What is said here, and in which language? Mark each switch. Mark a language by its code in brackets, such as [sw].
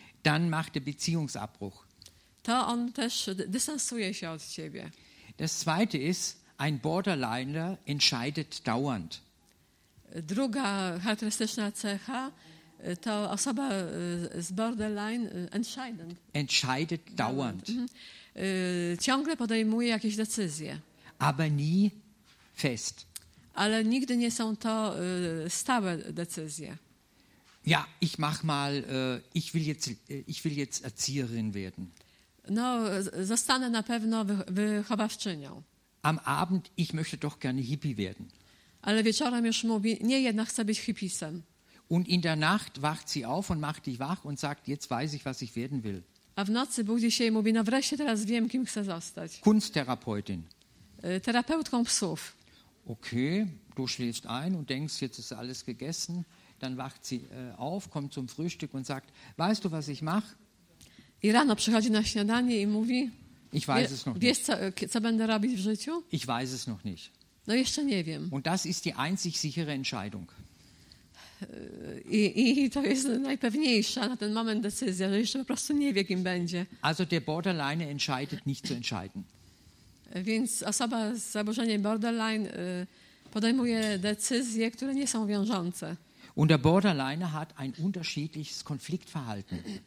[de] dann macht er Beziehungsabbruch. [pl] To on też dystansuje się od ciebie. [de] Das zweite ist, ein Borderliner entscheidet dauernd. [pl] Druga charakterystyczna cecha to osoba z borderline [de] entscheidet dauernd. [pl] Ciągle podejmuje jakieś decyzje. [de] Aber nie fest. [pl] Ale nigdy nie są to stałe decyzje. [de] Ja, ich mach mal, ich will jetzt Erzieherin werden. [pl] No, zostanę na pewno wychowawczynią. [de] Am Abend, ich möchte doch gerne Hippie werden. [pl] Ale wieczorem już mówi, nie, jednak chcę być hippisem. [de] Und in der Nacht wacht sie auf und macht dich wach und sagt, jetzt weiß ich, was ich werden will. [pl] A w nocy budzi się i mówi, no wreszcie teraz wiem, kim chcę zostać. [de] Kunsttherapeutin. [pl] Terapeutką psów. [de] Okay, du schläfst ein und denkst, jetzt ist alles gegessen. Dann wacht sie auf, kommt zum Frühstück und sagt, weißt du, was ich mache? [pl] I rano przychodzi na śniadanie i mówi, [de] ich weiß es noch [pl] wiesz, co będę robić w życiu? [de] Ich weiß es noch nicht. [pl] No jeszcze nie wiem. [de] Und das ist die einzig sichere Entscheidung. [pl] I to jest najpewniejsza na ten moment decyzja, że jeszcze po prostu nie wie, kim będzie. [de] Also der Borderline entscheidet nicht zu entscheiden. [pl] Więc osoba z zaburzeniem borderline podejmuje decyzje, które nie są wiążące. [de] Und der Borderline hat ein unterschiedliches Konfliktverhalten.